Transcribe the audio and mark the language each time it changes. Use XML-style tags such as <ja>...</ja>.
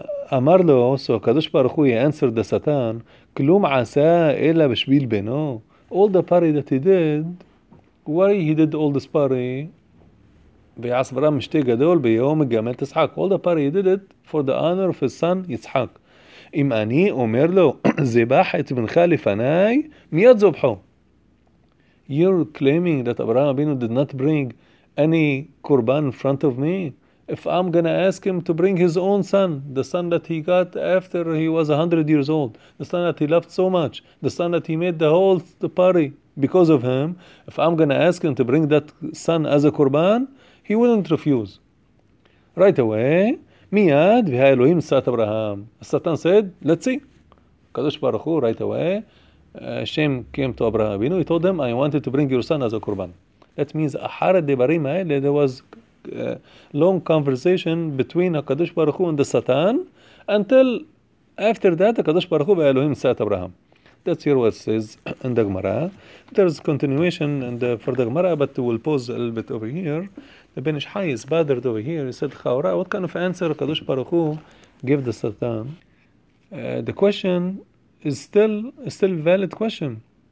<en>Amar lo, so HaKadosh Baruch Hu, he answered the Satan,</en> <he>Klum asa ela b'shvil beno.</he> <en>All the party that he did, why he did all this party?</en> <he>V'yas Abraham m'shtei gadol b'yom gamel t'shak.</he> <en>All the party he did it for the honor of his son Yitzhak.</en> <he>אם אני אומר לו, זבח את בנך לפניי, מיד זובחו.</he> <en>You're claiming that Abraham Avinu did not bring any korban in front of me? If I'm going to ask him to bring his own son, the son that he got after he was 100 years old, the son that he loved so much, the son that he made the whole party because of him, if I'm going to ask him to bring that son as a korban, he wouldn't refuse. Right away,</en> <he>מיד, והאלוהים סעת אברהם.</he> <en>הסטן said, let's see. הקדוש ברוך הוא, right away, השם came to אברהם אבינו, he told him, I wanted to bring your son as a קורבן. That means,</en> <he>אחר הדברים האלה,</he> <en>there was long conversation between הקדוש ברוך הוא and the סטן, until after that, הקדוש ברוך הוא</en> <he>והאלוהים סעת אברהם.</he> <en>That's here what it says in the Gemara. There's continuation for the Gemara, but we'll pause a little bit over here. The Ben Ish-Hai is bothered over here. He said, Chaura, what kind of answer Kadosh Baruch Hu gave the Satan? The question is still a valid question.</en>